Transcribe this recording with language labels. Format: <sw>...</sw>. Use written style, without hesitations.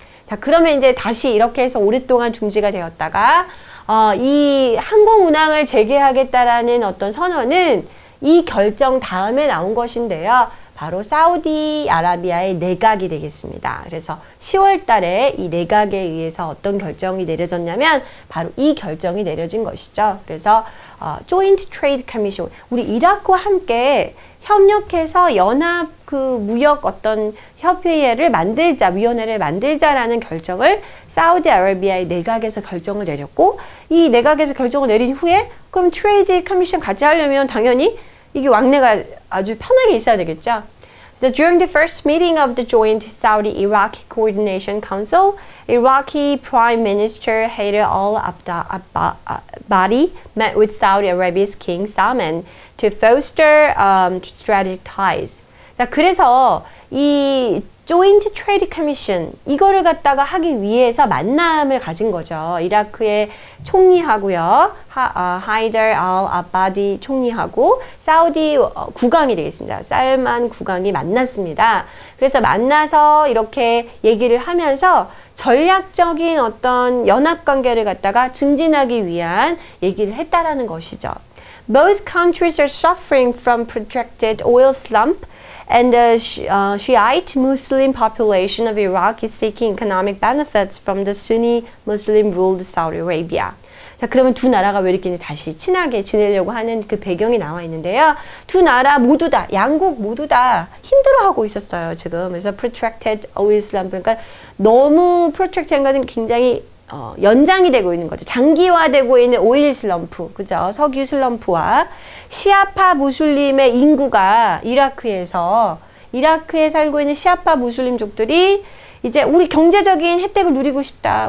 <ko>자, 그러면 이제 다시 이렇게 해서 오랫동안 중지가 되었다가 이 항공 운항을 재개하겠다라는 어떤 선언은 이 결정 다음에 나온 것인데요. 바로 사우디아라비아의 내각이 되겠습니다. 그래서 10월 달에 이 내각에 의해서 어떤 결정이 내려졌냐면 바로 이 결정이 내려진 것이죠. 그래서 Joint Trade Commission, 우리 이라크와 함께 협력해서 연합 그 무역 어떤 협의회를 만들자, 위원회를 만들자라는 결정을 사우디아라비아의 내각에서 결정을 내렸고 이 내각에서 결정을 내린 후에 그럼 트레이드 커미션 같이 하려면 당연히 이게 왕래가 아주 편하게 있어야 되겠죠.</ko> <en>So during the first meeting of the joint Saudi-Iraqi Coordination Council, Iraqi Prime Minister Haider al-Abadi met with Saudi Arabia's King Salman to foster strategic ties.</en> <ko>자, 그래서 이 Joint Trade Commission 이거를 갖다가 하기 위해서 만남을 가진 거죠. 이라크의 총리하고요. 하이더 알-아바디 총리하고 사우디 국왕이 되겠습니다. 살만 국왕이 만났습니다. 그래서 만나서 이렇게 얘기를 하면서 전략적인 어떤 연합관계를 갖다가 증진하기 위한 얘기를 했다라는 것이죠.</ko> <en>Both countries are suffering from protracted oil slump and the Shiite Muslim population of Iraq is seeking economic benefits from the Sunni Muslim ruled Saudi Arabia.</en> <ko>자, 그러면 두 나라가 왜 이렇게 다시 친하게 지내려고 하는 그 배경이 나와 있는데요. 두 나라 모두 다, 양국 모두 다 힘들어하고 있었어요, 지금. 그래서</ko> <en>protracted oil slump,</en> <ko>그러니까 너무 protracted한 것은 굉장히 연장이 되고 있는 거죠. 장기화되고 있는 오일 슬럼프, 그죠? 석유 슬럼프와 시아파 무슬림의 인구가 이라크에 살고 있는 시아파 무슬림족들이 이제 우리 경제적인 혜택을 누리고 싶다.</ko>